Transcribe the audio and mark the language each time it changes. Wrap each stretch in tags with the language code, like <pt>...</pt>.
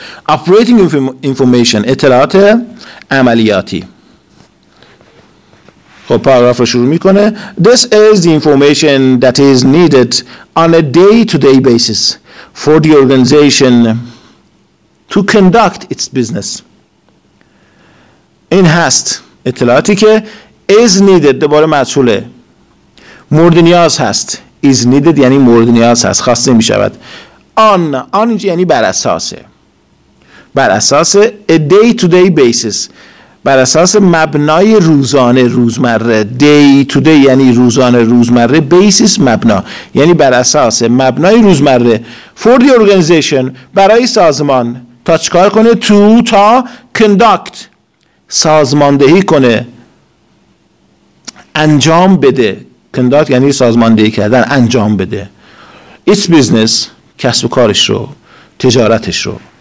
<fa>Operating information، اطلاعات عملیاتی. خب پاراگراف رو شروع میکنه،</fa> <en>This is the information that is needed on a day-to-day basis for the organization to conduct its business.</en> <fa>این هست، اطلاعاتی که is needed، دوباره مجهوله، مورد نیاز هست، is needed یعنی مورد نیاز هست، خواسته می شود، on یعنی بر اساسه، بر اساس a day to day basis، بر اساس مبنای روزانه، روزمره، day to day یعنی روزانه، روزمره، basis مبنا یعنی بر اساس مبنای روزمره،</fa> <en>for the organization،</en> <fa>برای سازمان، تا چکار کنه؟ تا conduct، سازماندهی کنه، انجام بده، conduct یعنی سازماندهی کردن، انجام بده its business، کسب و کارش رو، تجارتش رو.</fa>